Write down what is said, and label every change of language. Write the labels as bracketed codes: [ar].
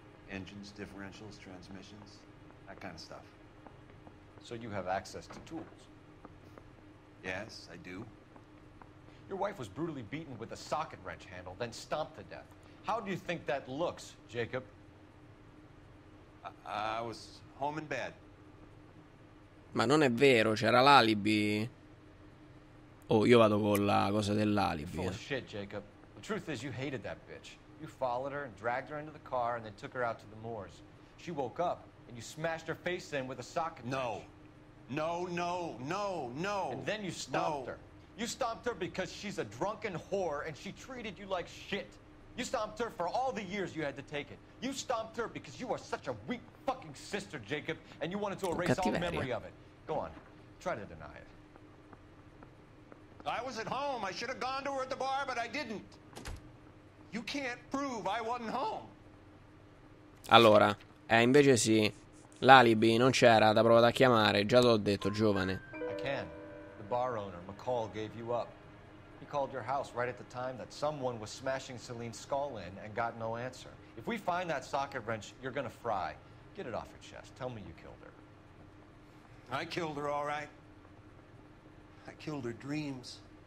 [en] Engines, differentials, transmissions, that kind of stuff. So you have access to tools? Yes, I do. Your wife was brutally beaten with a socket wrench handle, then stomped to death. How do you think that looks, Jacob? I was home in bed. [it] Ma non è vero, c'era l'alibi. Oh, io vado con la cosa dell'alibi. [en] Full of shit, Jacob. The truth is you hated that bitch. You followed her and dragged her into the car and then took her out to the moors. She woke up and you smashed her face in with a socket. No. No, no, no, no. And then you stomped her. You stomped her because she's a drunken whore and she treated you like shit. You stomped her for all the years you had to take it. You stomped her because you are such a weak fucking sister, Jacob, and you wanted to erase all memory of it. Go on. Try to deny it. I was at home. I should have gone to her at the bar, but I didn't. You can't prove I wasn't home. [it] Allora, invece sì. L'alibi non c'era, da prova da chiamare, già l'ho detto, giovane. [en] I can. The bar owner, McCall, gave you up. He called your house right at the time that someone was smashing Celine's skull in and got no answer. If we find that socket wrench, you're gonna fry. Get it off your chest. Tell me you killed her. I killed her, all right. I killed her dreams.